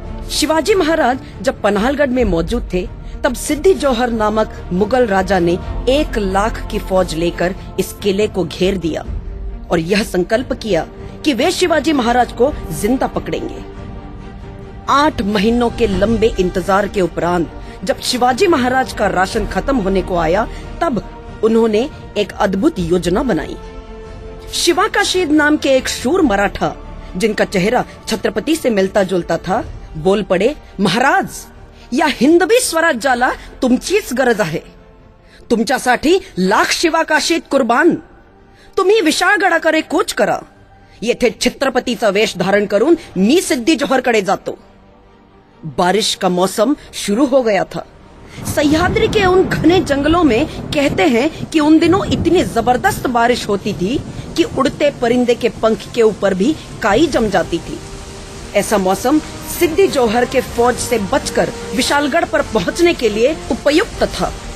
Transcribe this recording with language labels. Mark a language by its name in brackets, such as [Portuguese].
[Hindi] शिवाजी महाराज जब पन्हालगढ़ में मौजूद थे तब सिद्धि जौहर नामक मुगल राजा ने 1,00,000 की फौज लेकर इस किले को घेर दिया और यह संकल्प किया कि वे शिवाजी महाराज को जिंदा पकड़ेंगे। 8 महीनों के लंबे इंतजार के उपरांत जब शिवाजी महाराज का राशन खत्म होने को आया तब उन्होंने एक अद्भुत योजना बनाई। शिवा का शेद नाम के एक शूर मराठा जिनका चेहरा छत्रपति से मिलता जुलता था बोल पड़े, [Marathi] महाराज या हिंद भी स्वराज्याला तुमचीच गरज आहे, तुमच्यासाठी 1,00,000 शिवा का शेद कुर्बान, तुम्ही विशाळगडाकडे कूच करा, येथे छत्रपतीचा वेश धारण करून मी सिद्धी जोहरकडे जातो। [Hindi] बारिश का मौसम शुरू हो गया था। सह्याद्री के उन घने जंगलों में कहते हैं कि उन दिनों इतनी जबरदस्त बारिश होती थी कि उड़ते परिंदे के पंख के ऊपर भी काई जम जाती थी। ऐसा मौसम सिद्धी जोहर के फौज से बचकर विशालगढ़ पर पहुँचने के लिए उपयुक्त था।